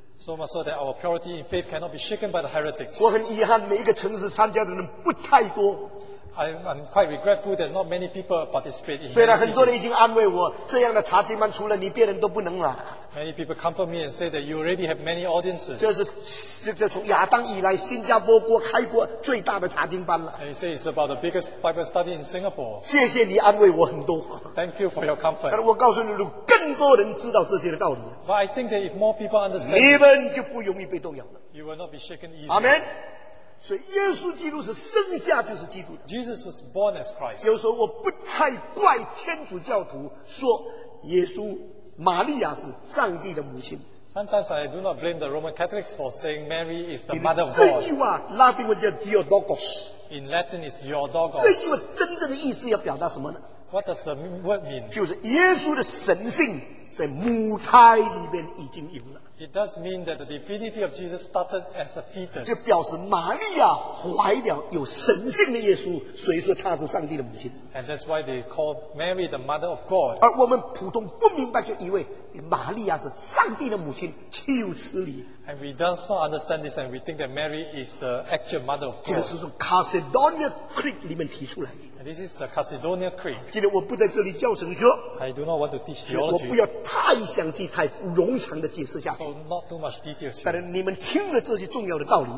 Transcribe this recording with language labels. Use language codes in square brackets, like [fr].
[en] So much so that our purity in faith cannot be shaken by the heretics. [zh] 我很遗憾，每一个城市参加的人不太多。 [en] I'm quite regretful that not many people participate in. [zh] 虽然很多人已经安慰我，这样的查经班除了你别人都不能了。 [en] Many people comfort me and say that you already have many audiences. [zh] 这是从亚当以来新加坡开过最大的查经班了。 [en] And you say it's about the biggest Bible study in Singapore. [zh] 谢谢你安慰我很多。 [en] Thank you for your comfort. [zh] 但是我告诉你，如果更多人知道这些的道理， [en] But I think that if more people understand, [zh] 你们就不容易被动摇了。 [en] You will not be shaken easily. Amen. [zh] 所以耶稣基督是生下就是基督。 [en] Jesus was born as Christ. [zh] 有时候我不太怪天主教徒说耶稣玛利亚是上帝的母亲。 [en] Sometimes I do not blame the Roman Catholics for saying Mary is the mother of God. [zh] 这句话, Latin 叫 Theodogos. [en] In Latin is Theodogos. [zh] 这句话真正的意思要表达什么呢? [en] What does the word mean? [zh] 就是耶稣的神性在母胎里面已经有了。 [en] It does mean that the divinity of Jesus started as a fetus. [zh] 就表示玛利亚怀了有神性的耶稣，所以说她是上帝的母亲。 [en] And that's why they call Mary the mother of God. [zh] 而我们普通不明白就以为玛利亚是上帝的母亲，岂有此理。 [en] And we do not understand this and we think that Mary is the actual mother of God. [zh] 这个是从 Chalcedonian Creed里面提出来。 [en] This is the Chalcedonian Creed. [zh] 今天我不在这里教神学。 [en] I do not want to teach theology. [zh] 我不要太详细太冗长的解释下去。 [en] So not too much details here. [zh] 但是你们听了这些重要的道理。